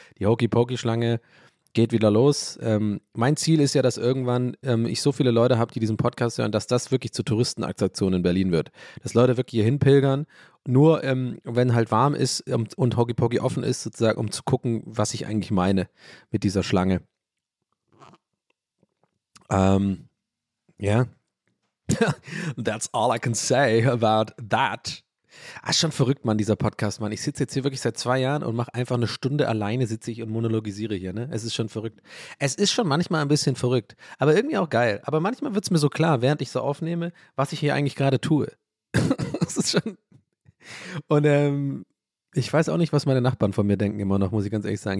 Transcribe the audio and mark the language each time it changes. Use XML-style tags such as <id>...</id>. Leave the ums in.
<de>Die Hokey Pokey Schlange geht wieder los. Ähm, mein Ziel ist ja, dass irgendwann ähm, ich so viele Leute habe, die diesen Podcast hören, dass das wirklich zur Touristenattraktion in Berlin wird. Dass Leute wirklich hierhin pilgern. Nur ähm, wenn halt warm ist und, und Hoggy offen ist, sozusagen, um zu gucken, was ich eigentlich meine mit dieser Schlange. ja. Yeah.</de> <en>That's all I can say about that.</en> <de>Ah, ist schon verrückt, Mann, dieser Podcast, Mann. Ich sitze jetzt hier wirklich seit zwei Jahren und mache einfach eine Stunde alleine, sitze ich und monologisiere hier, ne? Es ist schon verrückt. Es ist schon manchmal ein bisschen verrückt, aber irgendwie auch geil. Aber manchmal wird es mir so klar, während ich so aufnehme, was ich hier eigentlich gerade tue. das ist schon. Und ähm, ich weiß auch nicht, was meine Nachbarn von mir denken immer noch, muss ich ganz ehrlich sagen.</de>